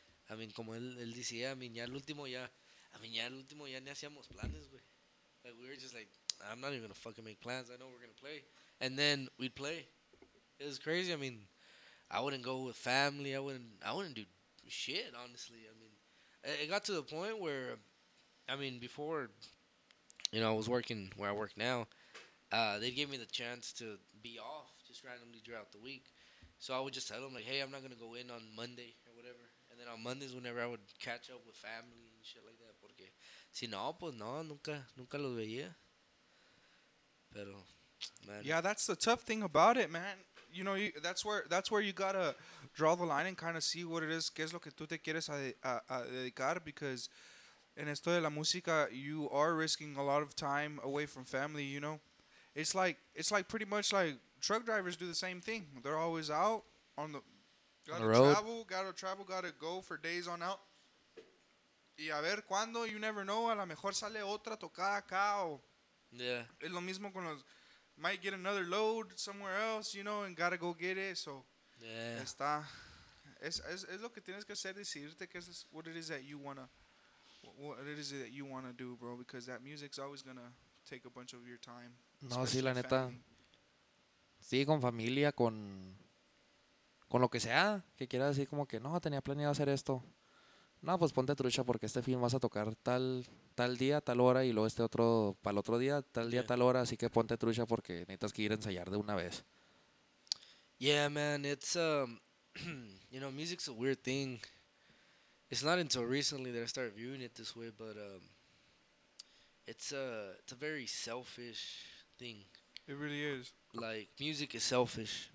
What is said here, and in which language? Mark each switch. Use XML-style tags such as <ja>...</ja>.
<en>I mean,</en> <es>como él decía, ya el último ni hacíamos planes, güey.</es> <en>Like, we were just like, I'm not even gonna fucking make plans. I know we're gonna play. And then we'd play. It was crazy. I mean, I wouldn't go with family. I wouldn't do shit, honestly. I mean, it got to the point where, I mean, before, you know, I was working where I work now, they gave me the chance to be off just randomly throughout the week. So I would just tell them, like, hey, I'm not gonna go in on Monday or whatever. And then on Mondays, whenever I would catch up with family and shit like that.</en> <es>Porque si no, pues no, nunca los veía. Pero,</es> <en>man. Yeah, that's the tough thing about it, man. You know, that's where you gotta draw the line and kind of see what it is,</en> <es>qué es lo que tú te quieres a dedicar,</es> <en>because</en> <es>en esto de la música,</es> <en>you are risking a lot of time away from family, you know? It's like pretty much like truck drivers do the same thing. They're always out on the road. Gotta travel, gotta go for days on out.</en> <es>Y a ver cuándo,</es> <en>you never know,</en> <es>a lo mejor sale otra tocada acá o...</es> <en>Yeah.</en> <es>Es lo mismo con los...</es> <en>Might get another load somewhere else, you know, and gotta go get it, so... Yeah.</en> <es>Está... Es lo que tienes que hacer, decirte que es...</es> <en>What it is that you wanna... What it is that you wanna do, bro, because that music's always gonna take a bunch of your time.</en> <es>No, sí, la neta. Sí, con familia, con lo que sea, que quieras decir como que, no, tenía planeado hacer esto. No, pues ponte trucha porque este film vas a tocar tal día, tal hora, y luego este otro para el otro día, tal día, yeah, tal hora, así que ponte trucha porque necesitas que ir a ensayar de una vez.</es> <en>Yeah, man, it's, you know, music's a weird thing. It's not until recently that I started viewing it this way, but it's a very selfish thing. It really is. Like, music is selfish.</en>